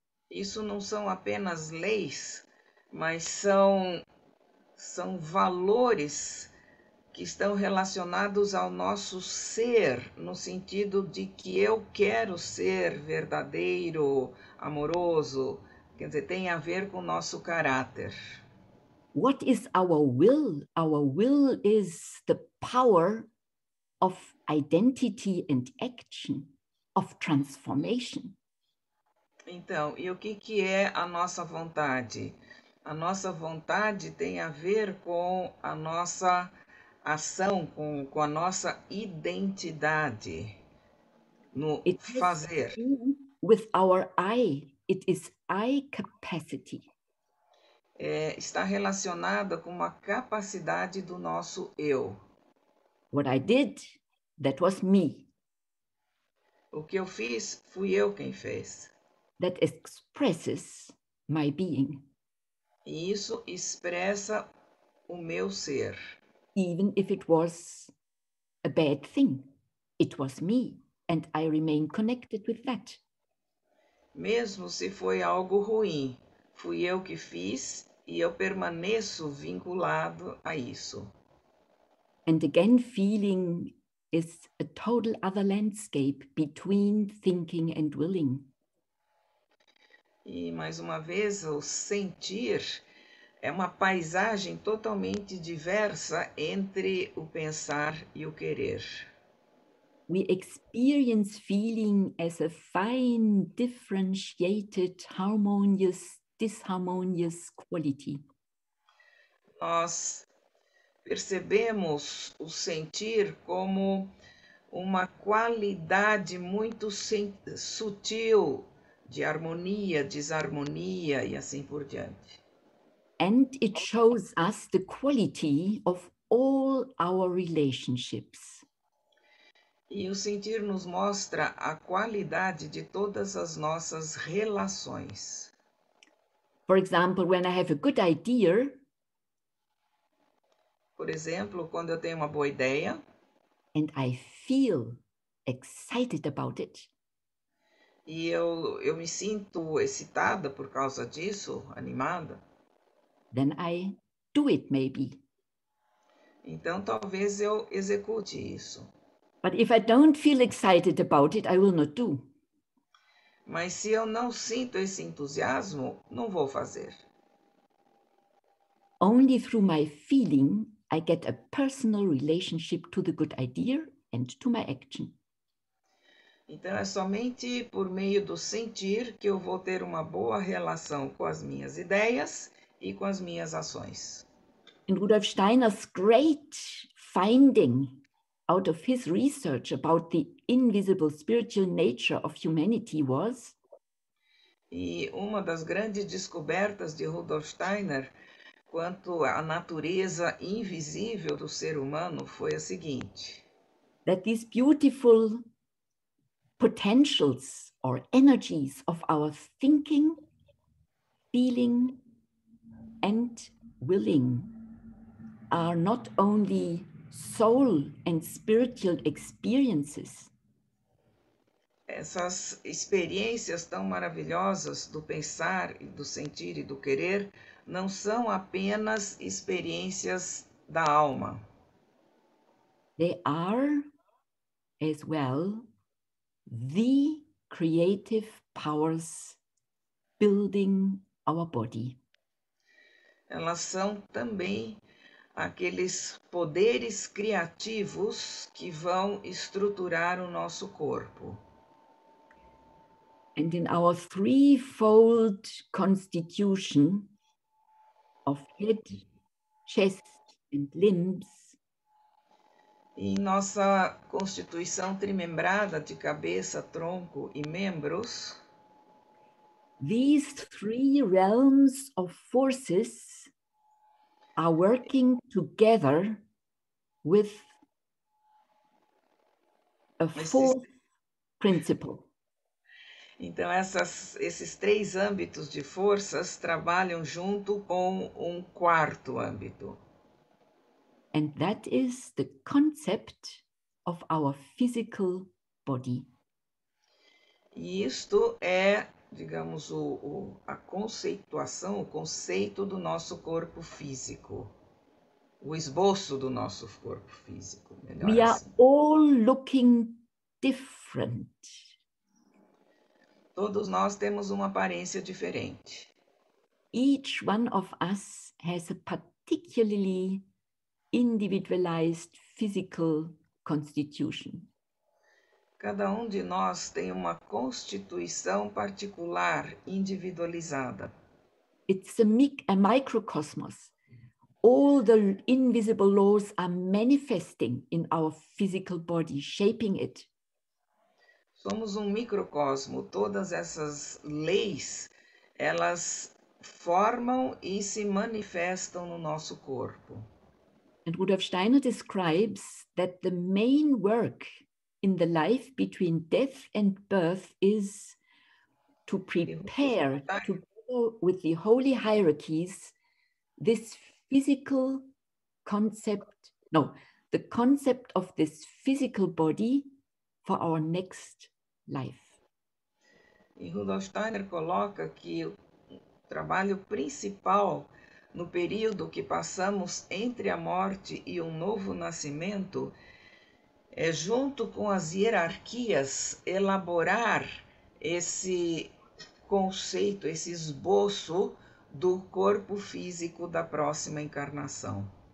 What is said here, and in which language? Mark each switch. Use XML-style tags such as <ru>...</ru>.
<pt>Isso não são apenas leis, mas são valores que estão relacionados ao nosso ser, no sentido de que eu quero ser verdadeiro, amoroso, quer dizer, tem a ver com o nosso caráter.</pt> <en>What is our will? Our will is the power of identity and action, of transformation.</en> <pt>Então, e o que é a nossa vontade? A nossa vontade tem a ver com a nossa ação, com a nossa identidade no</pt> <en>it</en> <pt>fazer.</pt> <en>Has to do with our I, it is I capacity.</en> <pt>É, está relacionada com uma capacidade do nosso eu.</pt> <en>What I did, that was me.</en> <pt>O que eu fiz, fui eu quem fez.</pt> <en>That expresses my being.</en> <pt>E isso expressa o meu ser.</pt> <en>Even if it was a bad thing, it was me, and I remain connected with that.</en> <pt>Mesmo se foi algo ruim, fui eu que fiz. E eu permaneço vinculado a isso.</pt> <en>And again, feeling is a total other landscape between thinking and willing.</en> <pt>E mais uma vez, o sentir é uma paisagem totalmente diversa entre o pensar e o querer.</pt> <en>We experience feeling as a fine, differentiated, harmonious, disharmonious quality.</en> <pt>Nós percebemos o sentir como uma qualidade muito sutil de harmonia, desarmonia e assim por diante.</pt> <en>And it shows us the quality of all our relationships.</en> <pt>E o sentir nos mostra a qualidade de todas as nossas relações.</pt> <en>For example, when I have a good idea,</en> <pt>por exemplo, quando eu tenho uma boa ideia,</pt> <en>and I feel excited about it,</en> <pt>e eu me sinto excitada por causa disso, animada,</pt> <en>then I do it, maybe.</en> <pt>então talvez eu execute isso.</pt> <en>But if I don't feel excited about it, I will not do.</en> <pt>Mas se eu não sinto esse entusiasmo, não vou fazer.</pt> <en>Only through my feeling I get a personal relationship to the good idea and to my action.</en> <pt>Então é somente por meio do sentir que eu vou ter uma boa relação com as minhas ideias e com as minhas ações.</pt> <en>In Rudolf Steiner's great finding out of his research about the invisible spiritual nature of humanity was.</en> <pt>E uma das grandes descobertas de Rudolf Steiner quanto à natureza invisível do ser humano foi a seguinte:</pt> <en>that these beautiful potentials or energies of our thinking, feeling, and willing are not only soul and spiritual experiences.</en> <pt>Essas experiências tão maravilhosas do pensar e do sentir e do querer não são apenas experiências da alma.</pt> <en>They are, as well, the creative powers building our body.</en> <pt>Elas são também aqueles poderes criativos que vão estruturar o nosso corpo.</pt> <en>And in our threefold constitution of head, chest and limbs.</en> <pt>E nossa constituição trimembrada de cabeça, tronco e membros.</pt> <en>These three realms of forces are working together with a fourth principle.</en> <pt>Então, esses três âmbitos de forças trabalham junto com um quarto âmbito.</pt> <en>And that is the concept of our physical body.</en> <pt>E isto é, digamos, a conceituação, o conceito do nosso corpo físico. O esboço do nosso corpo físico.</pt> <en>We</en> <pt>assim.</pt> <en>Are all looking different.</en> <pt>Todos nós temos uma aparência diferente.</pt> <en>Each one of us has a particularly individualized physical constitution.</en> <pt>Cada um de nós tem uma constituição particular, individualizada.</pt> <en>It's a microcosmos. All the invisible laws are manifesting in our physical body, shaping it.</en> <pt>Somos um microcosmo. Todas essas leis, elas formam e se manifestam no nosso corpo.</pt> <en>And Rudolf Steiner describes that the main work in the life between death and birth is to prepare to go with the holy hierarchies this physical concept, no, the concept of this physical body for our next life.</en> <pt>E Rudolf Steiner coloca que o trabalho principal no período que passamos entre a morte e um novo nascimento é, junto com as hierarquias, elaborar esse conceito, esse esboço do corpo físico da próxima encarnação.</pt>